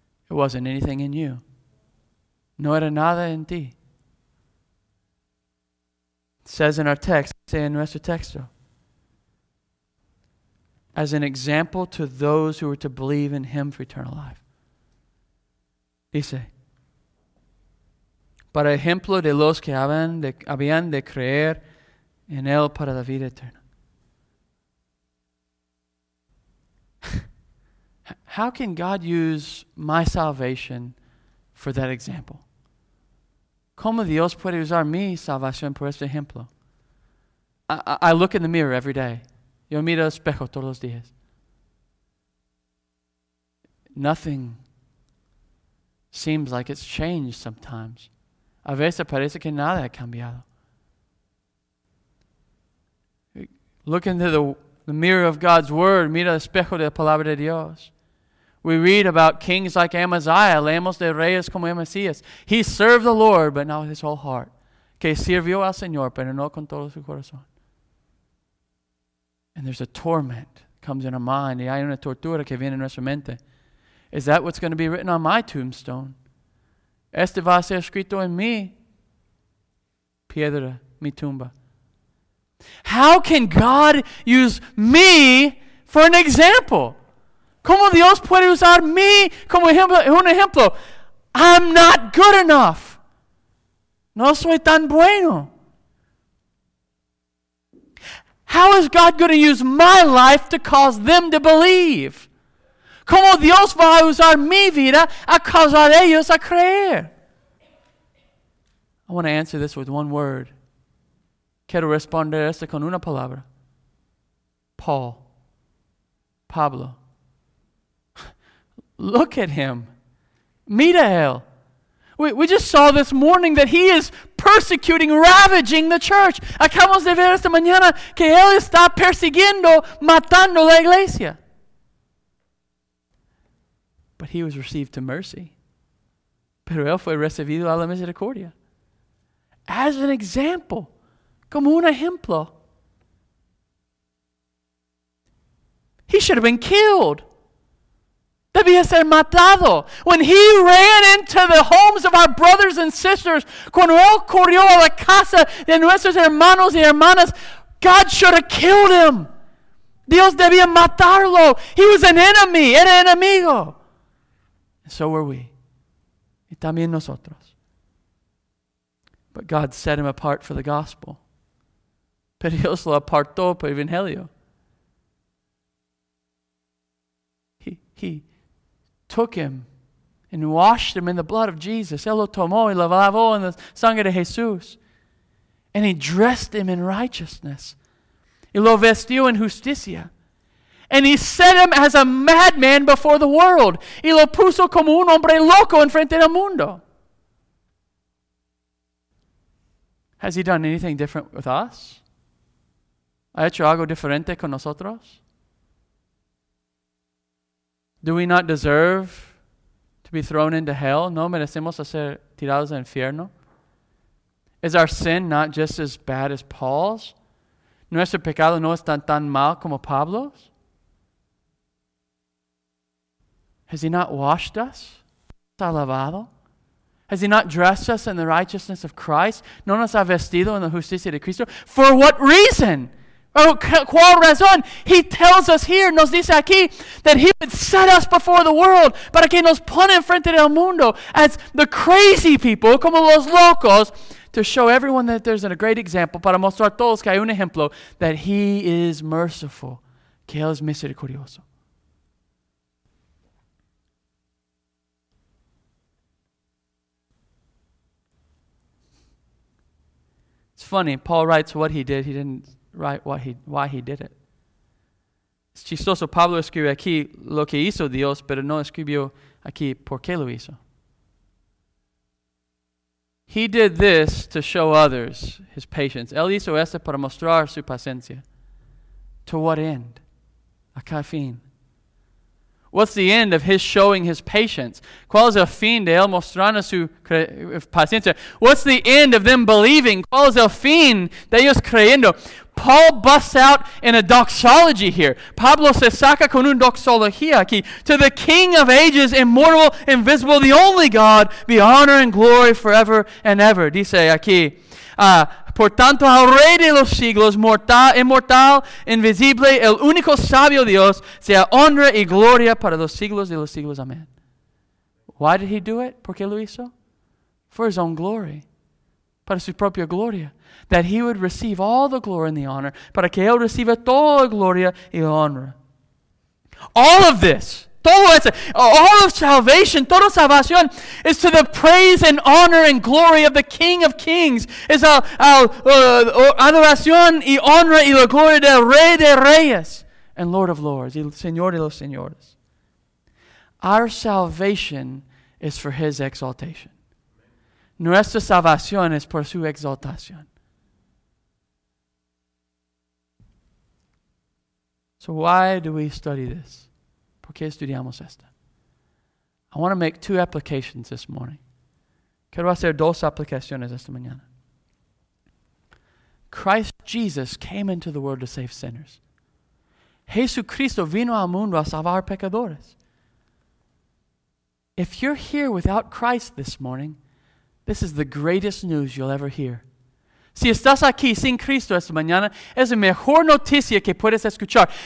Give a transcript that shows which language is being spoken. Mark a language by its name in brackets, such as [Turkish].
[English] It wasn't anything in you. [Spanish] No era nada en ti. [English] It says in our text, say in [Spanish] nuestro texto, [English] as an example to those who were to believe in him for eternal life. [Spanish] Dice, para ejemplo de los que habían de creer en él para la vida eterna. [English] How can God use my salvation for that example? [Spanish] ¿Cómo Dios puede usar mi salvación por este ejemplo? [English] I look in the mirror every day. [Spanish] Yo miro al espejo todos los días. [English] Nothing seems like it's changed sometimes. [Spanish] A veces parece que nada ha cambiado. [English] Look into the mirror of God's Word. [Spanish] Mira el espejo de la palabra de Dios. [English] We read about kings like Amaziah. [Spanish] Leemos de reyes como Amasías. [English] He served the Lord, but not with his whole heart. [Spanish] Que sirvió al Señor, pero no con todo su corazón. [English] And there's a torment that comes in our mind. [Spanish] Y hay una tortura que viene en nuestra mente. [English] Is that what's going to be written on my tombstone? [Spanish] Este va a ser escrito en mi piedra, mi tumba. [English] How can God use me for an example? [Spanish] ¿Cómo Dios puede usar mí como un ejemplo? [English] I'm not good enough. [Spanish] No soy tan bueno. [English] How is God going to use my life to cause them to believe? [Spanish] ¿Cómo Dios va a usar mi vida a causar ellos a creer? [English] I want to answer this with one word. [Spanish] Quiero responder esto con una palabra. Paul. Pablo. [English] Look at him. [Spanish] Mira él. [English] We just saw this morning that he is persecuting, ravaging the church. [Spanish] Acabamos de ver esta mañana que él está persiguiendo, matando la iglesia. [English] But he was received to mercy. [Spanish] Pero él fue recibido a la misericordia. [English] As an example, [Spanish] como un ejemplo. [English] He should have been killed. [Spanish] Debía ser matado. [English] When he ran into the homes of our brothers and sisters, [Spanish] cuando él corrió a la casa de nuestros hermanos y hermanas, [English] God should have killed him. [Spanish] Dios debía matarlo. [English] He was an enemy, [Spanish] era enemigo. [English] So were we. [Spanish] Y también nosotros. [English] But God set him apart for the gospel. [Spanish] Pero Dios lo apartó por el evangelio. [English] He took him and washed him in the blood of Jesus. [Spanish] Él lo tomó y lo lavó en la sangre de Jesús. [English] And he dressed him in righteousness. [Spanish] Y lo vestió en justicia. [English] And he set him as a madman before the world. [Spanish] Y lo puso como un hombre loco en frente del mundo. [English] Has he done anything different with us? [Spanish] ¿Ha hecho algo diferente con nosotros? [English] Do we not deserve to be thrown into hell? ¿No merecemos ser tirados al infierno? Is our sin not just as bad as Paul's? [Spanish] ¿Nuestro pecado no es tan mal como Pablo's? [English] Has he not washed us? ¿Nos ha lavado? Has he not dressed us in the righteousness of Christ? [Spanish] ¿No nos ha vestido en la justicia de Cristo? [English] For what reason? Oh, [Spanish] ¿cuál razón? [English] He tells us here, [Spanish] nos dice aquí, [English] that he would set us before the world [Spanish] para que nos pone en frente del mundo [English] as the crazy people, [Spanish] como los locos, [English] to show everyone that there's a great example, [Spanish] para mostrar todos que hay un ejemplo, [English] that he is merciful, [Spanish] que él es misericordioso. [English] It's funny, Paul writes what he did, he didn't write why he did it. [Spanish] Es chistoso, Pablo escribe aquí lo que hizo Dios, pero no escribió aquí por qué lo hizo. [English] He did this to show others his patience. [Spanish] Él hizo esto para mostrar su paciencia. [English] To what end? [Spanish] ¿A qué fin? [English] What's the end of his showing his patience? [Spanish] ¿Cuál es el fin de él mostrando su paciencia? [English] What's the end of them believing? [Spanish] ¿Cuál es el fin de ellos creyendo? [English] Paul busts out in a doxology here. [Spanish] Pablo se saca con un doxología aquí. [English] To the King of ages, immortal, invisible, the only God, be honor and glory forever and ever. [Spanish] Dice aquí. Por tanto, al Rey de los siglos, mortal, inmortal, invisible, el único sabio Dios, sea honra y gloria para los siglos de los siglos. Amén. [English] Why did he do it? [Spanish] ¿Por qué lo hizo? [English] For his own glory. [Spanish] Para su propia gloria. [English] That he would receive all the glory and the honor. [Spanish] Para que él reciba toda la gloria y la honra. [English] All of this. [Spanish] Todo eso, [English] all of salvation, [Spanish] toda salvación, [English] is to the praise and honor and glory of the King of Kings. [Spanish] Es adoración y honra y la gloria del Rey de Reyes [English] and Lord of Lords, [Spanish] y Señor de los Señores. [English] Our salvation is for his exaltation. [Spanish] Nuestra salvación es por su exaltación. [English] So why do we study this? [Spanish] ¿Por qué estudiamos esto? [English] I want to make two applications this morning. [Spanish] Quiero hacer dos aplicaciones esta mañana. [English] Christ Jesus came into the world to save sinners. [Spanish] Jesucristo vino al mundo a salvar pecadores. [English] If you're here without Christ this morning, this is the greatest news you'll ever hear. [Spanish] Si estás aquí sin Cristo esta mañana, es la mejor noticia que puedes escuchar.